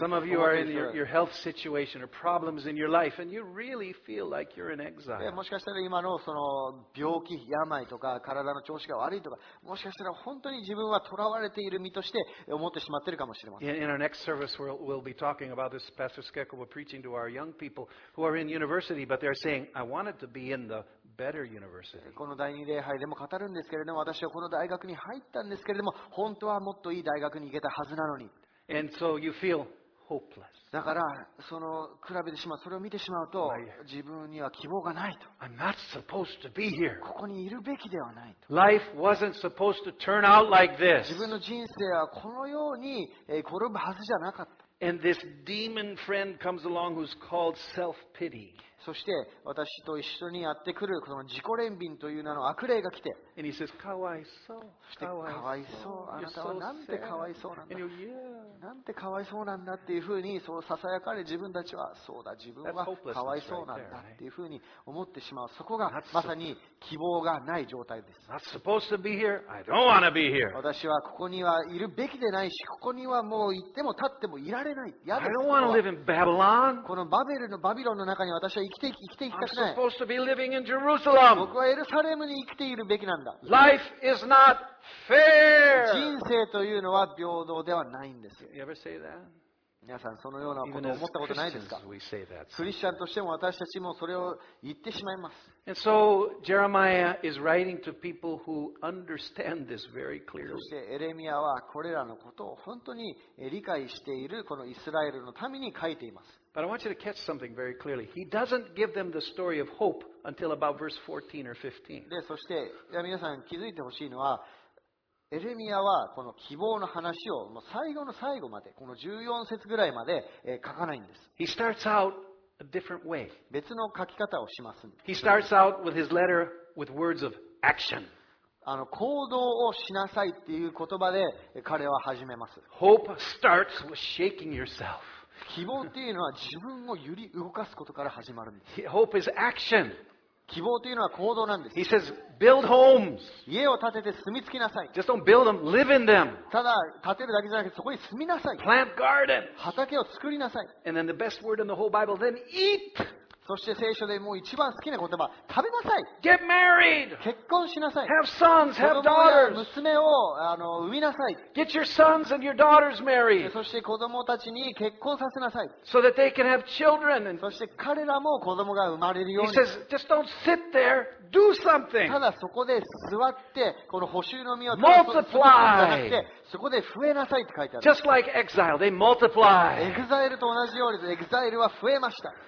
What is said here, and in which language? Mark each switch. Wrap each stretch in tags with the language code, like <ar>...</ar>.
<en>Some of you are in your health situation or problems in your life, and you really feel like you're in exile.</en> <ja>もしかしたら今のその病気、病とか体の調子が悪いとか、もしかしたら本当に自分は囚われている身として思ってしまっているかもしれません。</ja> <en>In our next service, we'll be talking about this. Pastor Skeko will be preaching to our young people who are in university, but they're saying, "I wanted to be in the better university.</en> <ja>この第二礼拝でも語るんですけれども、私はこの大学に入ったんですけれども、本当はもっといい大学に行けたはずなのに。</ja> <en>And so you feel hopeless.</en> <ja>だから、その比べてしまう、それを見てしまうと、自分には希望がないと。</ja> <en>I'm not supposed to be here.</en> <ja>ここにいるべきではないと。</ja> <en>Life wasn't supposed to turn out like this.</en> <ja>自分の人生はこのように転ぶはずじゃなかった。</ja> <en>And this demon friend comes along who's called self-pity.</en> <ja>そして私と一緒にやってくるこの自己憐憫という名の悪霊が来て。</ja> <en>And he says,</en> <ja>かわいそう。かわいそう。あなたはなんてかわいそうなんだ。</ja> <en>And you're, yeah.</en> <ja>なんてかわいそうなんだっていうふうにそうささやかれ自分たちは、そうだ、自分はかわいそうなんだっていうふうに思ってしまう。そこがまさに希望がない状態です。</ja> <en>Not supposed to be here. I don't want to be here.</en> <ja>私はここにはいるべきでないし、ここにはもう行っても立ってもいられない。嫌です。</ja> <en>I don't want to live in Babylon.</en> <ja>このバベルのバビロンの中に私は生きていきたくない。</ja> <en>I'm supposed to be living in Jerusalem.</en> <ja>僕はエルサレムに生きているべきなんだ。</ja> <en>Life is not fair.</en> <ja>人生というのは平等ではないんですよ。</ja> <en>You ever say that?</en> <ja>皆さんそのようなことを思ったことないですか？</ja> <en>Even as Christians, we say that.</en> <ja>クリスチャンとしても私たちもそれを言ってしまいます。</ja> <en>And so Jeremiah is writing to people who understand this very clearly.</en> <ja>そしてエレミアはこれらのことを本当に理解しているこのイスラエルのために書いています。</ja> <en>But I want you to catch something very clearly. He doesn't give them the story of hope. Until about verse 14 or 15.</en> <ja>で、そして皆さん気づいてほしいのは、エレミアはこの希望の話をもう最後の最後まで、この14節ぐらいまで書かないんです。</ja> <en>He starts out a different way.</en> <ja>別の書き方をします。</ja> <en>He starts out with his letter with words of action.</en> <ja>行動をしなさいっていう言葉で彼は始めます。</ja> <en>Hope starts with shaking yourself.</en> <ja>希望というのは自分を揺り動かすことから始まるんです。</ja> <en>Hope is action.</en> <ja>希望というのは行動なんです。</ja> <en>He says, build homes.</en> <ja>家を建てて住み着きなさい。</ja> <en>Just don't build them, live in them.</en> <ja>ただ建てるだけじゃなくてそこに住みなさい。</ja> <en>Plant gardens.</en> <ja>畑を作りなさい。</ja> <en>And then the best word in the whole Bible, then eat.</en> <ja>そして聖書でもう一番好きな言葉、食べなさい。</ja> <en>Get married.</en> <ja>結婚しなさい。</ja> <en>Have sons, have daughters.</en> <ja>子供や娘を産みなさい。</ja> <en>Get your sons and your daughters married.</en> <ja>そして子供たちに結婚させなさい。</ja> <en>So that they can have children.</en> <ja>そして彼らも子供が生まれるように。</ja> <en>He says, just don't sit there, do something.</en> <ja>ただそこで座ってこの捕囚の身を</ja> <en>multiply.</en> <ja>そこで増えなさいって書いてある。</ja> <en>Just like exile, they multiply.</en> <ja>エグザイルと同じようにエグザイルは増えました。</ja>